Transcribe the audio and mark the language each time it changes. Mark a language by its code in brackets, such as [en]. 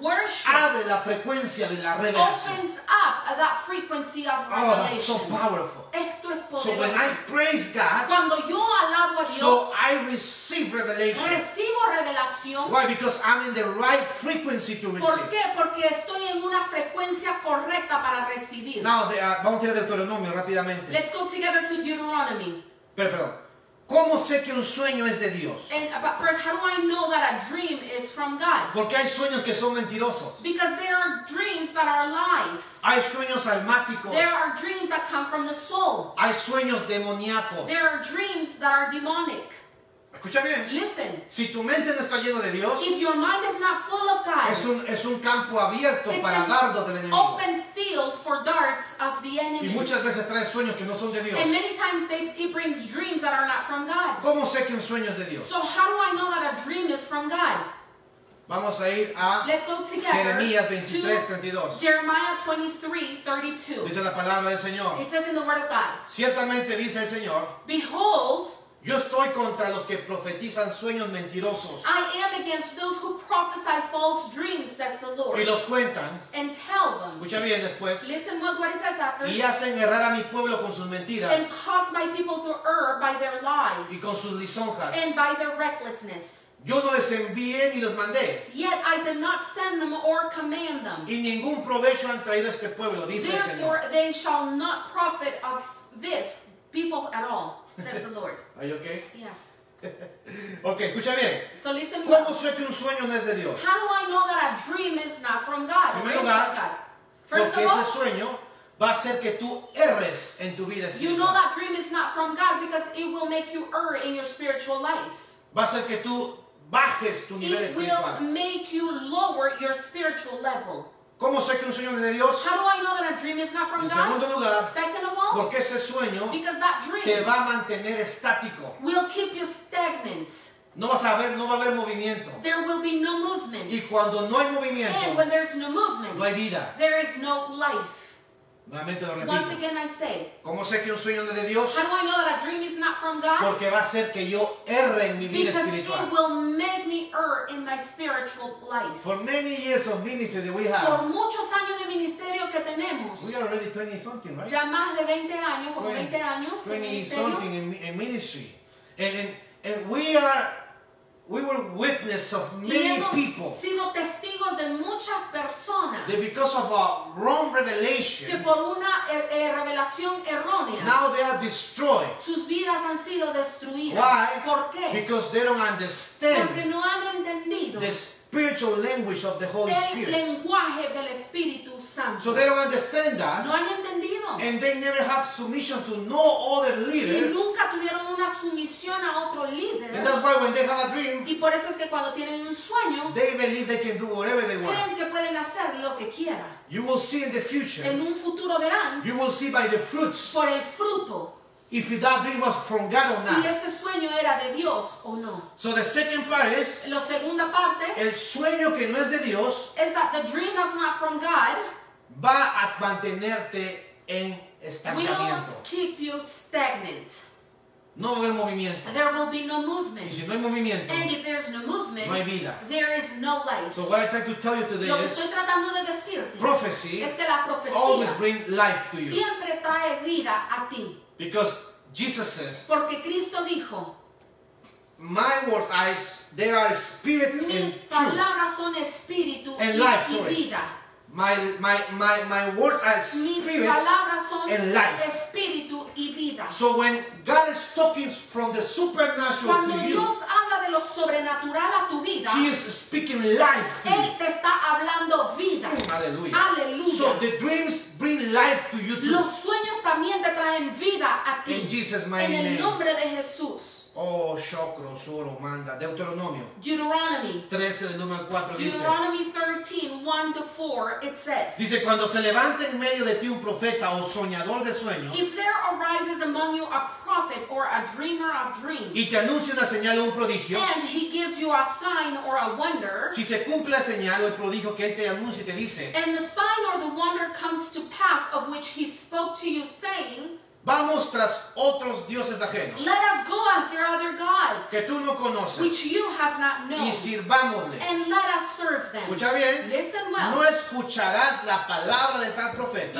[en] Worship. [es] Abre la frecuencia de la revelación. [en] Opens up that frequency of revelation. Oh, that's so powerful. [es] Esto es poderoso. [en] So when I praise God. [es] Cuando yo alabo a Dios. [en] So I receive revelation. [es] Recibo revelación. [en] Why? Because I'm in the right frequency to receive. [es] ¿Por qué? Porque estoy en una frecuencia correcta para recibir. Now, vamos a ir a Deuteronomio rápidamente. [en] Let's go together to Deuteronomy. [es] Perdón. ¿Cómo sé que un sueño es de Dios? [en] But first, how do I know that a dream is from God? [es] Porque hay sueños que son mentirosos. [en] Because there are dreams that are lies. [es] Hay sueños almáticos. [en] There are dreams that come from the soul. [es] Hay sueños demoníacos. [en] There are dreams that are demonic. [es] Escucha bien. [en] Listen. [es] Si tu mente no está llena de Dios, [en] if your mind is not full of God, [es] es un campo abierto para dardos del enemigo. [en] Open field for darts of the enemy. [es] Y muchas veces trae sueños que no son de Dios. [en] And many times it brings dreams that are not from God. [es] ¿Cómo sé que un sueño es de Dios? [en] So how do I know that a dream is from God? [es] Vamos a ir a Jeremías 23:32. [en] Jeremiah 23:32. [es] Dice la palabra del Señor. [en] It says in the word of God. [es] Ciertamente dice el Señor. [en] Behold, [es] yo estoy contra los que profetizan sueños mentirosos. [en] I am against those who prophesy false dreams, says the Lord. [es] Y los cuentan. [en] And tell them. [es] Escucha bien después. [en] Listen well what it says after. [es] Y hacen errar a mi pueblo con sus mentiras. [en] And cause my people to err by their lies. [es] Y con sus lisonjas. [en] And by their recklessness. [es] Yo no les envié ni los mandé. [en] Yet I did not send them or command them. [es] Y ningún provecho han traído a este pueblo, dice [en] therefore, [es] el Señor. [en] Therefore they shall not profit of this people at all, says the Lord. Are you okay? Yes. [es] Okay, escucha bien. [en] So listen, [es] ¿cómo sé que un sueño no es de Dios? [en] How do I know that a dream is not from God? [es] En primer lugar, porque ese sueño va a hacer que tú erres en tu vida espiritual. [en] You know that dream is not from God because it will make you err in your spiritual life. [es] Va a hacer que tú bajes tu nivel espiritual. [en] It will make you lower your spiritual level. [es] ¿Cómo sé que un sueño es de Dios? [en] How do I know that a dream is not from God? [es] En segundo lugar, [en] second of all, [es] porque ese sueño, [en] because that dream, [es] te va a mantener estático. [en] Will keep you stagnant. [es] No vas a ver, no va a haber movimiento. [en] There will be no movement. [es] Y cuando no hay movimiento, [en] and when there's no movement, [es] no hay vida. [en] There is no life. [es] Nuevamente lo repito. [en] Once again I say, [es] ¿cómo sé que un sueño no es de Dios? [en] How do I know that a dream is not from God? [es] Porque va a hacer que yo erre en mi vida [en] because [es] espiritual. [en] Because it will make me err in my spiritual life. For many years of ministry that we have. [es] Por muchos años de ministerio que tenemos. [en] We are already 20 something, right? [es] Ya más de 20 años, como 20 años en ministerio. [en] 20 something in ministry. And we were witness of many people. [es] Sido testigos de muchas personas. [en] That because of a wrong revelation. [es] Que por una revelación errónea. [en] Now they are destroyed. [es] Sus vidas han sido destruidas. [en] Why? [es] ¿Por qué? [en] Because they don't understand. [es] Porque no han entendido. [en] The spiritual language of the Holy [es] el [en] Spirit. [es] El lenguaje del Espíritu Santo. [en] So they don't understand that. [es] No han entendido. [en] And they never have submission to no other leader. [es] Y nunca tuvieron una sumisión a otro líder. [en] And that's why when they have a dream. [es] Y por eso es que cuando tienen un sueño. [en] They believe they can do whatever they want. [es] Creen que pueden hacer lo que quieran. [en] You will see in the future. [es] En un futuro verán. [en] You will see by the fruits. [es] Por el fruto. [en] If that dream was from God or not. [es] Si ese sueño era de Dios o no. [en] So the second part is. [es] La segunda parte. El sueño que no es de Dios. [en] Is that the dream that's not from God. [es] Va a mantenerte en estancamiento. [en] Will keep you stagnant. [es] No va a haber movimiento. [en] There will be no movement. [es] Y si no hay movimiento. [en] And if there's no movement. [es] No hay vida. [en] There is no life. So what I try to tell you today [es] lo que estoy tratando de decirte. [en] Prophecy. [es] Es que la profecía. [en] Always bring life to you. [es] Siempre trae vida a ti. [en] Because Jesus says, [es] porque Cristo dijo, [en] my words are, they are spirit and truth. [es] Mis palabras son espíritu [en] and life, [es] y vida. [en] My words are spirit [es] mis palabras son [en] and life. [es] Espíritu y vida. [en] So when God is talking from the supernatural [es] cuando [en] to [es] Dios [en] you, [es] habla de lo sobrenatural a tu vida, [en] He is speaking life to [es] Él [en] you. [es] Te está hablando vida. [en] Hallelujah. Hallelujah. So the dreams bring life to you too. [es] Los sueños también te traen vida a ti. [en] In Jesus' mighty name. [es] En el [en] name. [es] Nombre de Jesús. Oh, Shokro, Soro, Manda, Deuteronomio. [en] Deuteronomy. [es] 13, del número 4, dice. [en] Deuteronomy 13, 1 to 4, it says. [es] Dice, cuando se levante en medio de ti un profeta o soñador de sueños. [en] If there arises among you a prophet or a dreamer of dreams. [es] Y te anuncie una señal o un prodigio. [en] And he gives you a sign or a wonder. [es] Si se cumple la señal o el prodigio que él te anuncie y te dice. [en] And the sign or the wonder comes to pass of which he spoke to you saying. [es] Vamos tras otros dioses ajenos. [en] Let us go after other gods. [es] Que tú no conoces. [en] Which you have not known. [es] Y sirvámosles. [en] And let us serve them. [es] Escucha bien. [en] Listen well. [es] No escucharás la palabra de tal profeta.